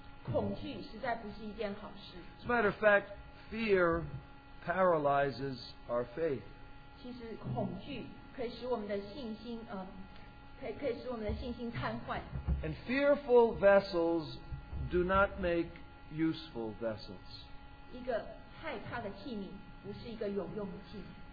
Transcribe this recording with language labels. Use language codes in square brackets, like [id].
[zh] 恐惧实在不是一件好事。 [en] As a matter of fact, fear paralyzes our faith. [zh] 其实恐惧可以使我们的信心, 可以使我们的信心瘫痪。 [en] And fearful vessels do not make useful vessels. [zh] 一个害怕的器皿不是一个有用的器皿。